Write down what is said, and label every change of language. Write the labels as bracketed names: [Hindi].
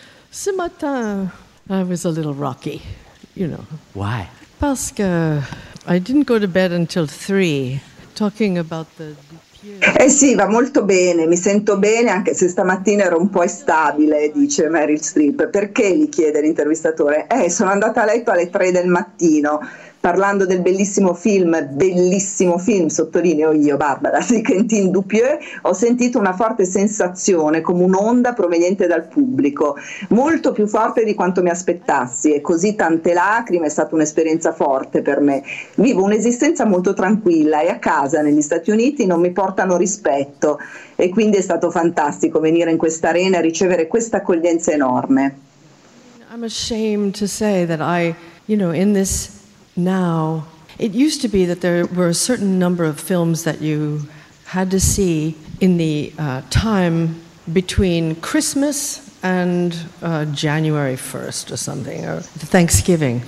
[French] Ce matin, [English] I was a little rocky, you know. Why? [French] Parce que [English] I didn't go to bed until 3, talking about the... [Italian] Eh sì, va molto bene, mi sento bene anche se stamattina ero un po' instabile, dice Meryl Streep. Perché, gli chiede l'intervistatore, sono andata a letto alle 3 del mattino parlando del bellissimo film, sottolineo io, Barbara, di Quentin Dupieux, ho sentito una forte sensazione come un'onda proveniente dal pubblico, molto più forte di quanto mi aspettassi, e così tante lacrime, è stata un'esperienza forte per me. Vivo un'esistenza molto tranquilla e a casa negli Stati Uniti non mi portano rispetto, e quindi è stato fantastico venire in questa arena e ricevere questa accoglienza enorme. [English] I'm ashamed to say that I, you know, in this... Now, it used to be that there were a certain number of films that you had to see in the time between Christmas and January 1st or something, or Thanksgiving.